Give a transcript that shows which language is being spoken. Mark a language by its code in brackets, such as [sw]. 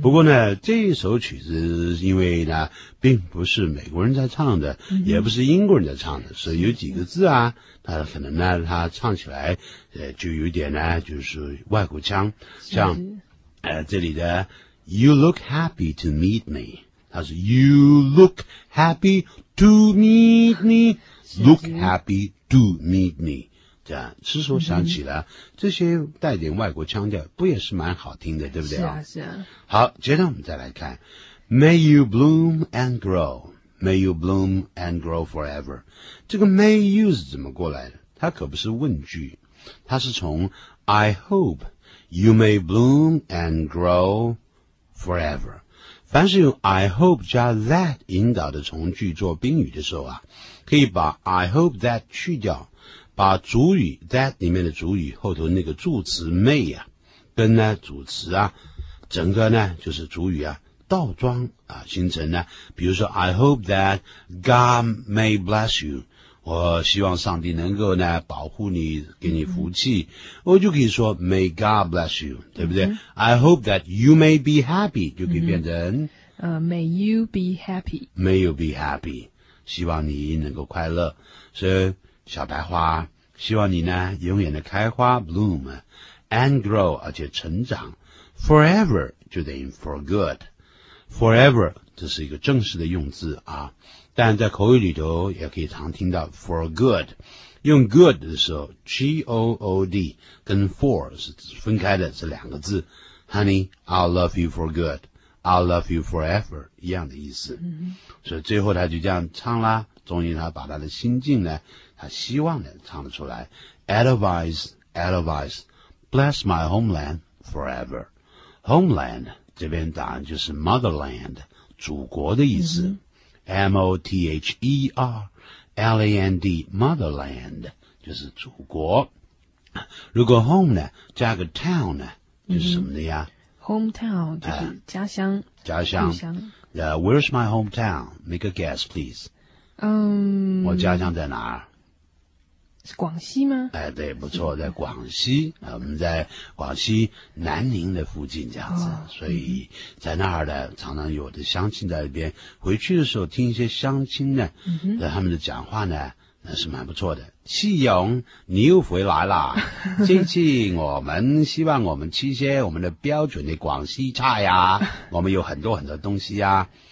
[zh] 不过呢，这一首曲子因为呢，并不是美国人在唱的，也不是英国人在唱的，所以有几个字啊，他可能呢，他唱起来，就有点呢，就是外国腔，像，这里的 [en] You look happy to meet me， [zh] 他是 You [en] look happy to meet me， [zh] look happy to meet me。这样，此时我想起了、这些带点外国腔调，不也是蛮好听的，对不对？是啊，是啊。好，接着我们再来看 ， [en] May you bloom and grow, May you bloom and grow forever。 [zh] 这个 May you 是怎么过来的？它可不是问句，它是从 [en] I hope you may bloom and grow forever。 [zh] 凡是用 [en] I hope 加 that 引导的从句做宾语的时候啊，可以把 I hope that 去掉，把主语 that 里面的主语后头那个助词 may 啊，跟呢主词啊，整个呢就是主语啊倒装啊形成呢，比如说 I hope that God may bless you， [zh] 我希望上帝能够呢保护你，给你福气，我就可以说 [en] May God bless you， [zh] 对不对？ [en] I hope that you may be happy， [zh] 就可以变成 [en] May you be happy， May you be happy， [zh] 希望你能够快乐。所以小白花，希望你呢永远的开花 [en] bloom and grow， [zh] 而且成长。 Forever 就等于 for goodForever 这是一个正式的用字啊，但在口语里头也可以常听到 for good， 用 good 的时候 G-O-O-D 跟 for 是分开的，这两个字 [en] Honey I'll love you for good I'll love you forever [zh] 一样的意思、所以最后他就这样唱啦，终于他把他的心境呢，他希望呢唱得出来。 [en] Edelweiss Edelweiss Bless my homeland forever。 [zh] Homeland这边答案就是 motherland， 祖国的意思、M-O-T-H-E-R-L-A-N-D motherland 就是祖国。如果 home 呢加个 town 呢就是什么的呀、 hometown 就是家乡、家乡、 [en] Where's my hometown? Make a guess please、 [zh] 我家乡在哪儿？是广西吗？哎，对，不错，在广西啊，我们在广西南宁的附近这样子，所以在那儿呢，常常有的乡亲在那边回去的时候，听一些乡亲呢，他们的讲话呢，那是蛮不错的。气勇，你又回来啦！这次我们希望我们吃些我们的标准的广西菜呀，我们有很多很多东西呀。